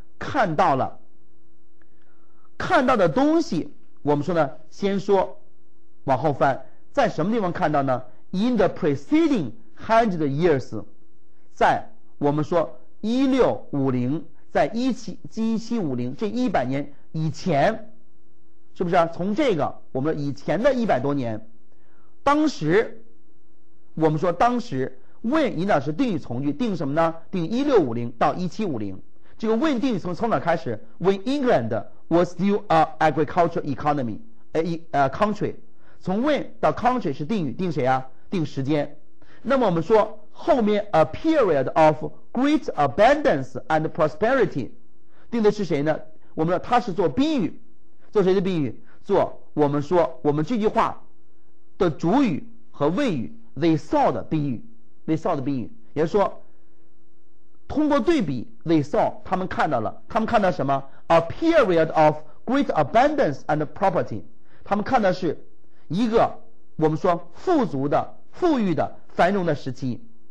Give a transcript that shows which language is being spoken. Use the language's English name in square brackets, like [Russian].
[Chinese] 看到了，看到的东西，我们说呢，先说，往后翻，在什么地方看到呢 ？ [English] In the preceding hundred years， [Chinese] 在我们说1650，在1750这一百年以前，是不是啊？从这个我们以前的一百多年，当时，我们说当时 when 引导是定语从句，定什么呢？定1650到1750。这个 when 定语从哪开始 ？ [English] When England was still a agricultural economy， country， [Chinese] 从 when 到 country 是定语，定谁啊？定时间。那么我们说后面 [English] a period of great abundance and prosperity， [Chinese] 定的是谁呢？我们说它是做宾语，做谁的宾语？做我们说我们这句话的主语和谓语 [English] they saw [Chinese] 的宾语， they saw 的宾语，也说。通过对比 they saw， 他们看到了，他们看到什么？ [English] a period of great abundance and property， [Chinese] 他们看到是一个我们说富足的富裕的繁荣的时期。